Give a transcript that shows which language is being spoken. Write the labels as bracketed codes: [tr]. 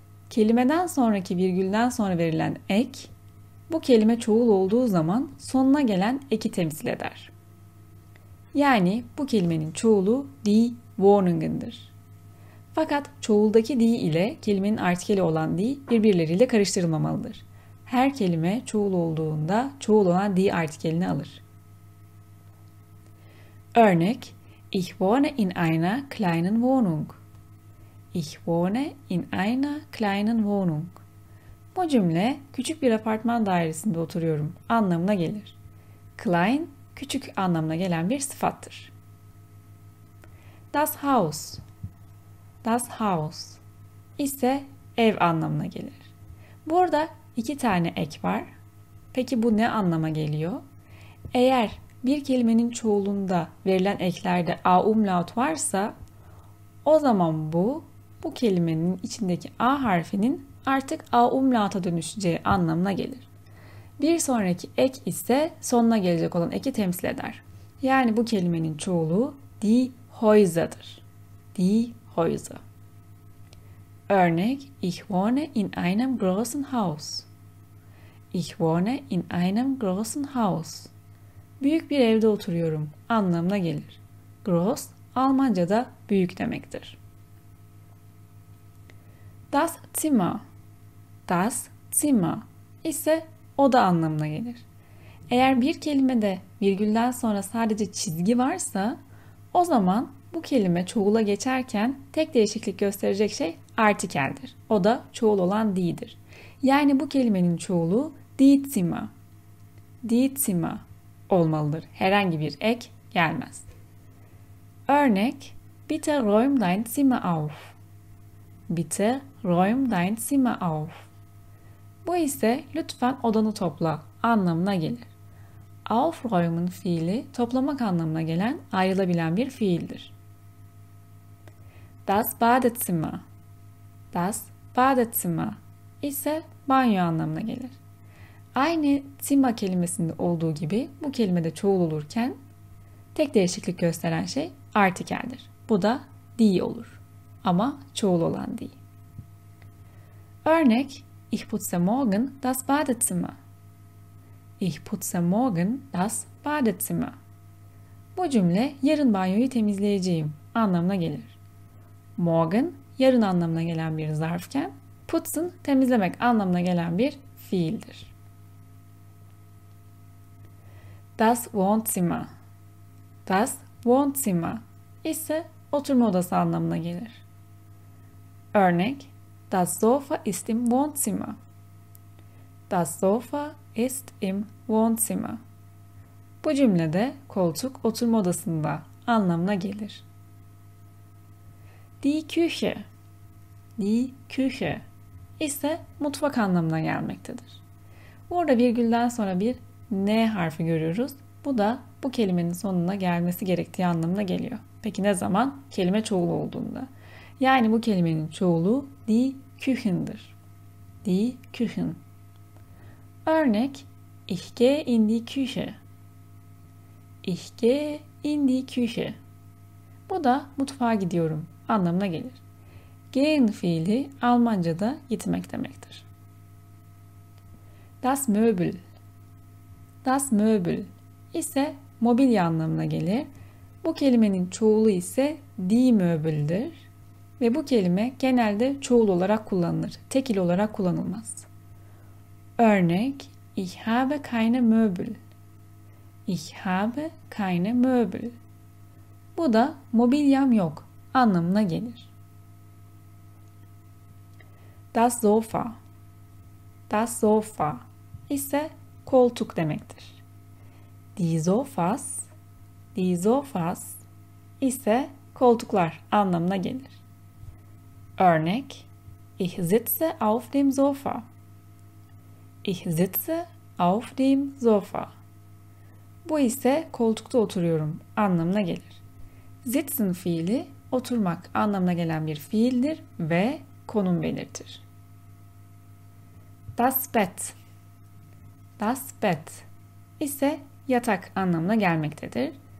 [tr] Kelimeden sonraki virgülden sonra verilen ek, bu kelime çoğul olduğu zaman sonuna gelen eki temsil eder. Yani bu kelimenin çoğulu die Wohnungen'dir. Fakat çoğuldaki die ile kelimenin artikeli olan die birbirleriyle karıştırılmamalıdır. Her kelime çoğul olduğunda çoğul olan die artikelini alır. [de] Örnek: Ich wohne in einer kleinen Wohnung. Ich wohne in einer kleinen Wohnung. [tr] Bu cümle küçük bir apartman dairesinde oturuyorum anlamına gelir. Klein, küçük anlamına gelen bir sıfattır. Das Haus. Das Haus ise ev anlamına gelir. Burada iki tane ek var. Peki bu ne anlama geliyor? Eğer bir kelimenin çoğulunda verilen eklerde a umlaut varsa, o zaman bu kelimenin içindeki a harfinin artık a umlauta dönüşeceği anlamına gelir. Bir sonraki ek ise sonuna gelecek olan eki temsil eder. Yani bu kelimenin çoğulu die Häuser'dır. [de] Die Häuser. Örnek: Ich wohne in einem großen Haus. Ich wohne in einem großen Haus. [tr] Büyük bir evde oturuyorum anlamına gelir. Groß, Almanca'da büyük demektir. Das Zimmer. Das Zimmer ise oda anlamına gelir. Eğer bir kelimede virgülden sonra sadece çizgi varsa, o zaman bu kelime çoğula geçerken tek değişiklik gösterecek şey artikeldir. O da çoğul olan die'dir. Yani bu kelimenin çoğulu die Zimmer olmalıdır. Herhangi bir ek gelmez. [de] Örnek: Bitte räum dein Zimmer auf. Bitte räum dein Zimmer auf. [tr] Bu ise lütfen odanı topla anlamına gelir. Aufräumen fiili toplamak anlamına gelen ayrılabilen bir fiildir. Das Badezimmer. Das Badezimmer ise banyo anlamına gelir. Aynı Zimmer kelimesinde olduğu gibi bu kelimede çoğul olurken tek değişiklik gösteren şey artikeldir. Bu da die olur. Ama çoğul olan die. [de] Örnek: Ich putze morgen das Badezimmer. Ich putze morgen das Badezimmer. [tr] Bu cümle yarın banyoyu temizleyeceğim anlamına gelir. Morgen yarın anlamına gelen bir zarfken, putzen temizlemek anlamına gelen bir fiildir. Das Wohnzimmer. Das Wohnzimmer ise oturma odası anlamına gelir. [de] Örnek: Das Sofa ist im Wohnzimmer. Das Sofa ist im Wohnzimmer. [tr] Bu cümlede koltuk oturma odasında anlamına gelir. Die Küche. Die Küche ise mutfak anlamına gelmektedir. Burada virgülden sonra bir N harfi görüyoruz. Bu da bu kelimenin sonuna gelmesi gerektiği anlamına geliyor. Peki ne zaman? Kelime çoğul olduğunda. Yani bu kelimenin çoğulu die Küchen'dir. [de] Die Küchen. Örnek: Ich gehe in die Küche. Ich gehe in die Küche. [tr] Bu da mutfağa gidiyorum anlamına gelir. Gehen fiili Almanca'da gitmek demektir. Das Möbel. Das Möbel ise mobilya anlamına gelir. Bu kelimenin çoğulu ise die Möbel'dir. Ve bu kelime genelde çoğul olarak kullanılır. Tekil olarak kullanılmaz. [de] Örnek: Ich habe keine Möbel. Ich habe keine Möbel. [tr] Bu da mobilyam yok anlamına gelir. [de] Das Sofa. Das Sofa [tr] ise koltuk demektir. Die Sofas ise koltuklar anlamına gelir. [de] Örnek: Ich sitze auf dem Sofa. Ich sitze Auf dem Sofa. [tr] Bu ise koltukta oturuyorum anlamına gelir. Sitzen fiili oturmak anlamına gelen bir fiildir ve konum belirtir. Das Bett. Das Bett ise yatak anlamına gelmektedir.